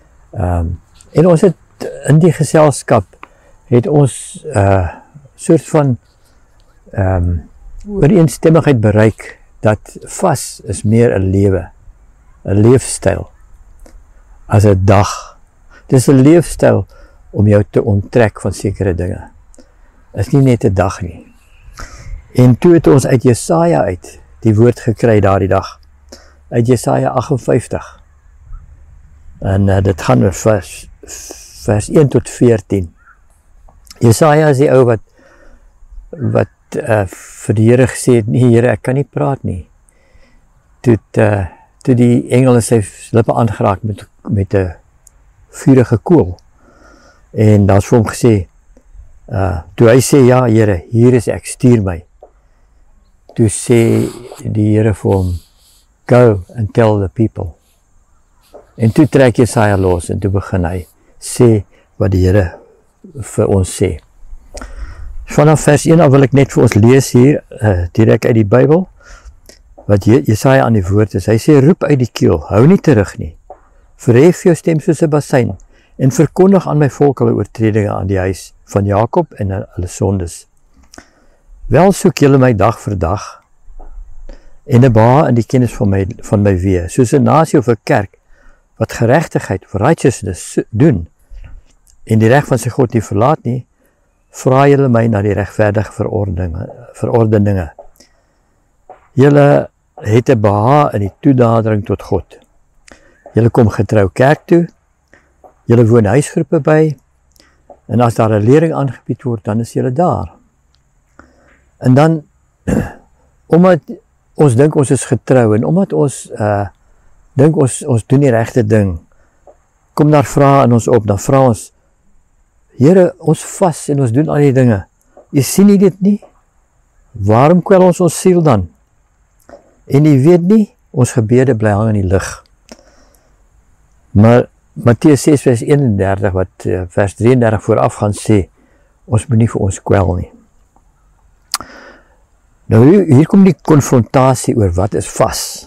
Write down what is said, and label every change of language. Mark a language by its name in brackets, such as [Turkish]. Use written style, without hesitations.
[Afrikaans] En ons het in die geselskap, het ons soort van ooreenstemmigheid bereik, dat vas is meer 'n lewe, 'n leefstyl, as 'n dag. Dit is 'n leefstyl om jou te onttrek van sekere dinge. Is nie net 'n dag nie. En toe het ons uit Jesaja uit die woord gekry daardie dag. Uit Jesaja 58. En dit gaan oor vers 1 tot 14. Jesaja is die ou wat vir die Here gesê het, nee Here, ek kan nie praat nie. Toe die engel sy lippe aangeraak met 'n vuurige kool. En daar is vir hom gesê, toe hy sê, ja Here, hier is ek, stuur my. Toe sê die Here vir hom, [English] go and tell the people. [Afrikaans] En toe trek Jesaja los en toe begin hy sê wat die Here vir ons sê. Vanaf vers 1 wil ek net vir ons lees hier, direk uit die Bybel, wat Jesaja aan die woord is. Hy sê, roep uit die keel, hou nie terug nie. Verhef jou stem soos 'n basyn. En verkondig aan my volk hulle oortredinge aan die huis van Jakob en hulle sondes. Wel soek julle my dag vir dag en 'n baa in die kennis van my weë, soos 'n nasie of 'n kerk wat geregtigheid, righteousness doen en die reg van sy God nie verlaat nie, vra julle my na die regverdige verordeninge. Julle het 'n baa in die toenadering tot God. Julle kom getrou kerk toe. Julle woon huisgroepe by, en as daar 'n lering aangebied word, dan is julle daar. En dan, omdat ons dink ons is getrou, en omdat ons dink ons doen die regte ding, kom daar vrae in ons op, dan vra ons, Here, ons vas en ons doen al die dinge, jy sien jy dit nie? Waarom kwel ons siel dan? En jy weet nie, ons gebede bly hang in die lig. Maar, Matteus 6 vers 31 wat vers 33 vooraf gaan sê, ons moet nie vir ons kwel nie. Nou, hier kom die konfrontasie oor wat is vas.